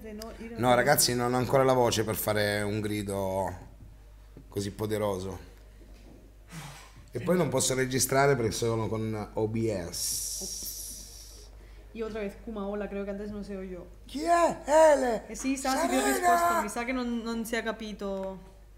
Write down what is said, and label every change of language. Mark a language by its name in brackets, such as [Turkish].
[Italian] di no. No, ragazzi, non ho ancora la voce per fare un grido così poderoso. E poi non posso registrare perché sono con OBS. [Spanish] Io otra vez, Kuma, hola, creo que antes no se oyó. [Italian] Chi è? Ele! Sì, sa che ti ho risposto, mi sa che non si è capito.